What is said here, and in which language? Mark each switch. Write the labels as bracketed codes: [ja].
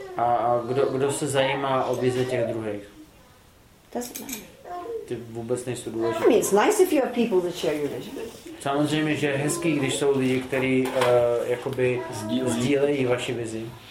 [cs] A kdo se zajímá o vize těch druhých? [en] Doesn't matter. [cs] Ty vůbec nejsou důležitý. [en] I mean, it's nice if you have people that share your vision. [cs] Samozřejmě, že je hezký, když jsou lidi, kteří jakoby sdílejí vaši vizi.